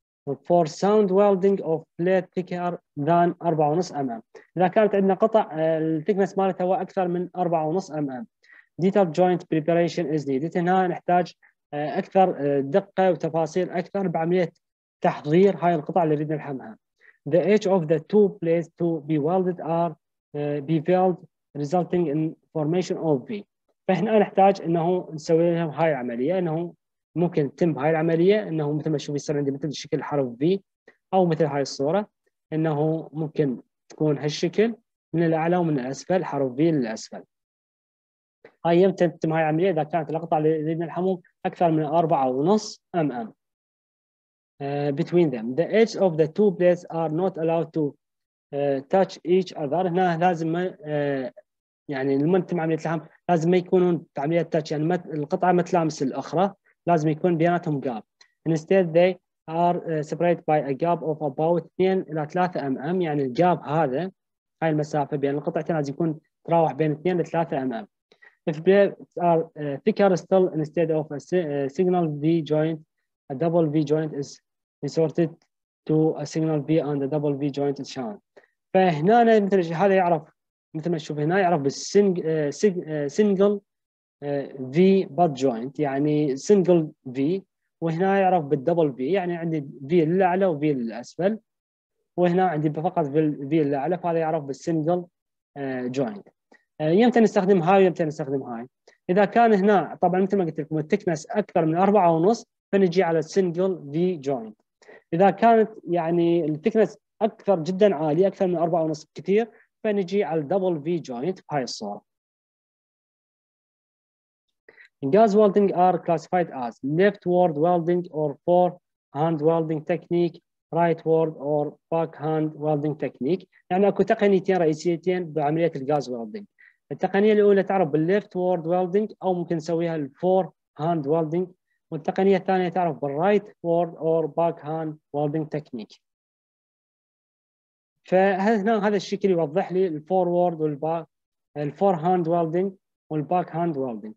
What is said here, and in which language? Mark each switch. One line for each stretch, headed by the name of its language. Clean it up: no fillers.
English: for sound welding of plate thicker than 4.5 mm،
Arabic: اذا كانت عندنا قطع الثيكنس مالتها هو اكثر من 4.5 mm.
English: detailed joint preparation is needed،
Arabic: هنا نحتاج اكثر دقه وتفاصيل اكثر بعمليه تحضير هاي القطع اللي نريد نلحمها.
English: the edge of the two plates to be welded are beveled resulting in formation of V.
Arabic: فهنا نحتاج انه نسوي لهم هاي العمليه، انه ممكن تتم بهاي العمليه، انه مثل ما تشوف يصير عندي مثل شكل حرف V او مثل هاي الصوره، انه ممكن تكون هالشكل من الاعلى ومن الاسفل، حرف V للاسفل. هاي يمتى تتم هاي العمليه؟ اذا كانت القطعه اللي نريد نلحمهم اكثر من 4.5 mm.
English: Between them the edges of the two plates are not allowed to touch each other.
Arabic: هنا لازم يعني لما تتم عملية اللحام لازم ما يكونون عملية تاتش، يعني ما القطعة ما تلامس الأخرى، لازم يكون بيناتهم جاب.
English: Instead they are separated by a gap of about
Arabic: 2 إلى 3 mm، يعني الجاب هذا، هاي المسافة بين القطعتين لازم يكون تراوح بين 2 إلى 3 mm.
English: If plates are thicker still instead of a signal V joint, a double V joint is resorted to a signal V and a double V joint is shown.
Arabic: فهنا مثل هذا يعرف مثل ما تشوف هنا يعرف بالسنجل في بات جوينت، يعني سنجل في، وهنا يعرف بالدبل في، يعني عندي في للاعلى وفي للاسفل، وهنا عندي فقط في للاعلى، فهذا يعرف بالسنجل جوينت. يمتى نستخدم هاي ويمتى نستخدم هاي؟ اذا كان هنا طبعا مثل ما قلت لكم التكنس اكثر من 4.5 فنجي على السنجل في جوينت. اذا كانت يعني التكنس اكثر جدا عالي اكثر من 4.5 كثير، فنجي على الدبل في جوينت بهاي الصوره.
English: Gas welding are classified as leftward welding or forehand welding technique, rightward or backhand welding technique.
Arabic: يعني اكو تقنيتين رئيسيتين بعمليه الغاز ويلدنج. التقنيه الاولى تعرف بالليفتward welding او ممكن نسويها الفورهاند welding، والتقنيه الثانيه تعرف بالرايتward
English: or backhand welding technique.
Arabic: فهنا هذا الشكل يوضح لي الفورورد والباك، الفور هاند ويلدنج والباك هاند ويلدنج.